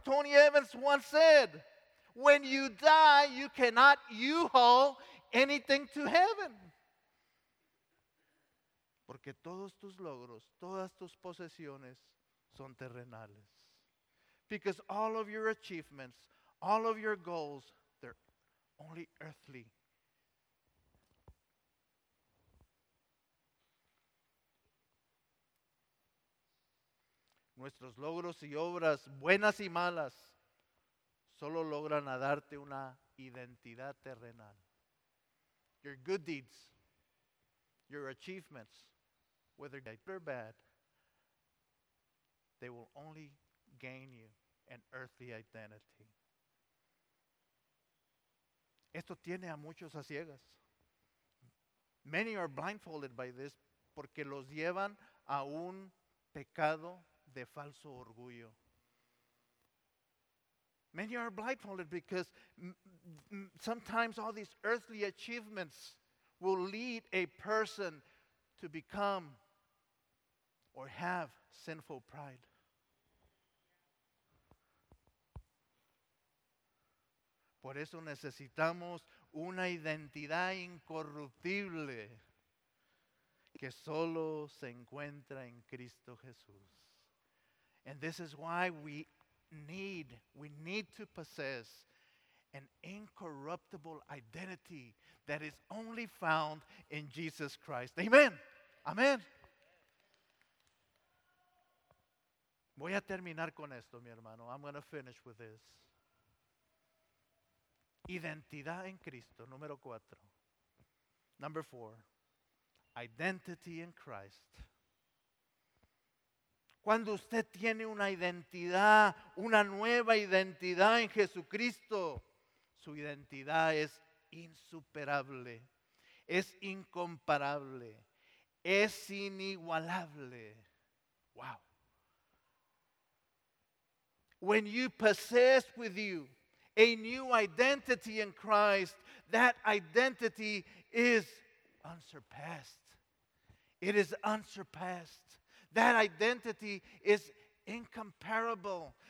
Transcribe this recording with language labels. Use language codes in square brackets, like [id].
[en] Tony Evans once said, when you die, you cannot U-Haul anything to heaven. [es] Porque todos tus logros, todas tus posesiones son terrenales. [en] Because all of your achievements, all of your goals, they're only earthly. [es] Nuestros logros y obras, buenas y malas, solo logran a darte una identidad terrenal. [en] Your good deeds, your achievements, whether good or bad, they will only gain you an earthly identity. [es] Esto tiene a muchos a ciegas. [en] Many are blindfolded by this [es] porque los llevan a un pecado de falso orgullo. [en] Many are blindfolded because sometimes all these earthly achievements will lead a person to become or have sinful pride. [es] Por eso necesitamos una identidad incorruptible que solo se encuentra en Cristo Jesús. [en] And this is why we need to possess an incorruptible identity that is only found in Jesus Christ. Amen. Amen. [es] Voy a terminar con esto, mi hermano. [en] I'm going to finish with this. [es] Identidad en Cristo, número cuatro. [en] Number four, identity in Christ. [es] Cuando usted tiene una identidad, una nueva identidad en Jesucristo, su identidad es insuperable, es incomparable, es inigualable. [en] Wow. When you possess with you a new identity in Christ, that identity is unsurpassed. It is unsurpassed. That identity is incomparable.